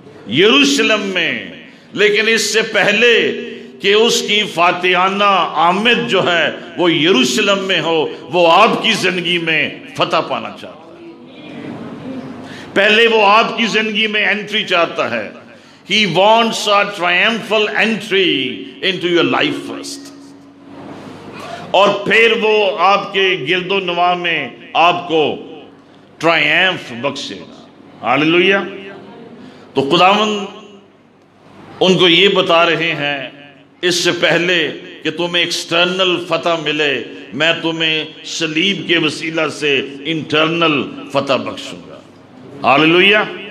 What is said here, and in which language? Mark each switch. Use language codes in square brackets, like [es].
[hi] यरूशलेम में। लेकिन इससे पहले कि उसकी फातिहाना आमद जो है वो यरूशलेम में हो, वो आपकी जिंदगी में फतह पाना चाहता है, पहले वो आपकी जिंदगी में एंट्री चाहता है। [en] He wants a triumphal entry into your life first. [hi] और फिर वो आपके गिर्दो नवा में आपको ट्रायम्फ बख्शेगा। हालेलुया। तो खुदावंद उनको ये बता रहे हैं, इससे पहले कि तुम्हें एक्सटर्नल फतह मिले, मैं तुम्हें सलीब के वसीला से इंटरनल फतह बख्शूंगा। हालेलुया।